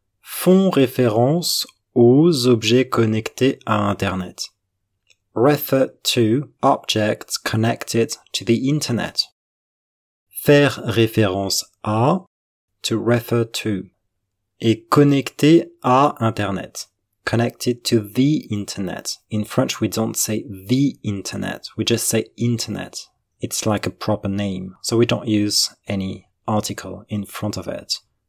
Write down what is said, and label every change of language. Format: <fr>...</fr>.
<fr>font référence aux objets connectés à Internet.</fr> <en>Refer to objects connected to the Internet.</en> <fr>Faire référence à,</fr> <en>to refer to,</en> <fr>et connecté à Internet.</fr> <en>Connected to the Internet. In French, we don't say the Internet, we just say Internet. It's like a proper name, so we don't use any article in front of it.</en>